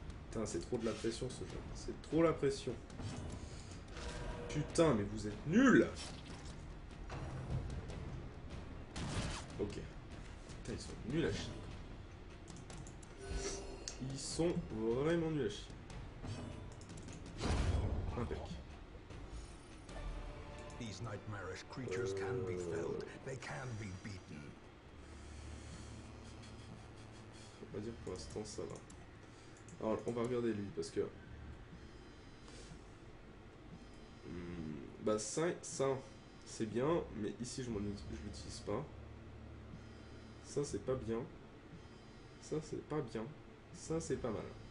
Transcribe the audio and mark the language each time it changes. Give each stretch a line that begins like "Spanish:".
French: Putain, c'est trop de la pression ce jeu. C'est trop la pression. Putain, mais vous êtes nuls! Ok. Putain, ils sont nuls à chier. Ils sont vraiment nuls à chier. Impec.
English: These nightmarish creatures can be felled, they can be beaten.
French: Faut pas dire pour l'instant ça va. Alors, on va regarder lui parce que. Bah, ça, c'est bien, mais ici je l'utilise pas. Ça, c'est pas bien. Ça, c'est pas bien. Ça, c'est pas mal.